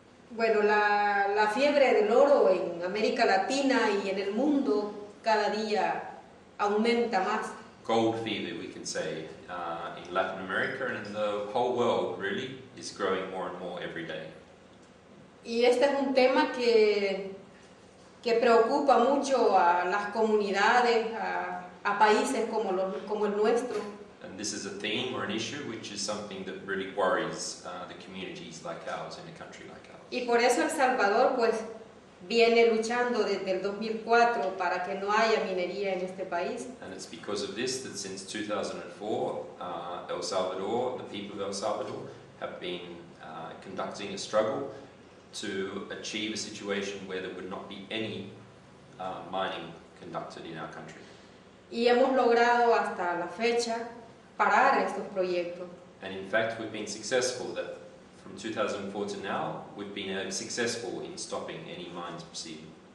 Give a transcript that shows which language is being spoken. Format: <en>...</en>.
<es>Bueno, la fiebre del oro en América Latina y en el mundo cada día aumenta más.</es> <en>Gold fever, we can say, in Latin America and in the whole world, really, is growing more and more every day.</en> <es>Y este es un tema que preocupa mucho a las comunidades, a países como, como el nuestro.</es> <en>And this is a theme or an issue which is something that really worries the communities like ours in a country like ours.</en> <es>Y por eso El Salvador pues viene luchando desde el 2004 para que no haya minería en este país.</es> <en>And it's because of this that since 2004, El Salvador, the people of El Salvador, have been conducting a struggle to achieve a situation where there would not be any mining conducted in our country.</en> <es>Y hemos logrado hasta la fecha parar estos proyectos.</es> <en>And in fact, we've been successful that from 2004 to now, we've been successful in stopping any mines proceeding.</en>